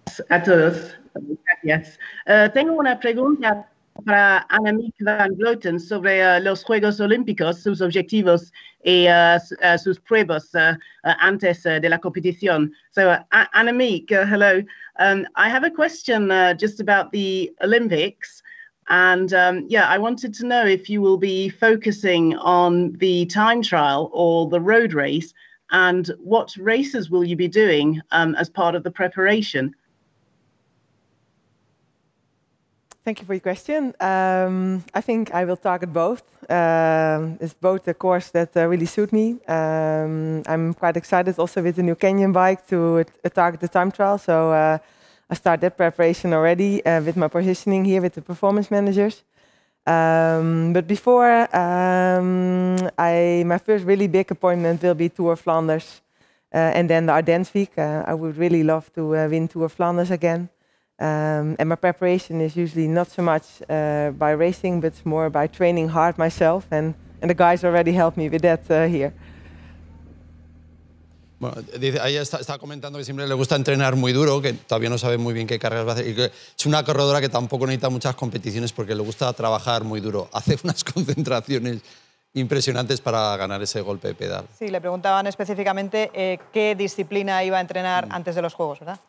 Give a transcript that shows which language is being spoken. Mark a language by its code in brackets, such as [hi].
[es] A todos, gracias. Tengo una pregunta para Annemiek van Vleuten sobre los Juegos Olímpicos, sus objetivos y sus pruebas antes de la competición. [en] So, Annemiek, hello. I have a question just about the Olympics. And I wanted to know if you will be focusing on the time trial or the road race, and what races will you be doing as part of the preparation? Thank you for your question. I think I will target both. It's both a course that really suit me. I'm quite excited also with the new Canyon bike to target the time trial. So I start that preparation already with my positioning here with the performance managers. But before my first really big appointment will be Tour Flanders and then the Ardennes week. I would really love to win Tour Flanders again. And my preparation is usually not so much by racing, but more by training hard myself. And the guys already helped me with that here. [es] Bueno, dice, ahí está comentando que siempre le gusta entrenar muy duro, que todavía no sabe muy bien qué carreras va a hacer. Y que es una corredora que tampoco necesita muchas competiciones porque le gusta trabajar muy duro. Hace unas concentraciones impresionantes para ganar ese golpe de pedal. Sí, le preguntaban específicamente qué disciplina iba a entrenar antes de los Juegos, ¿verdad?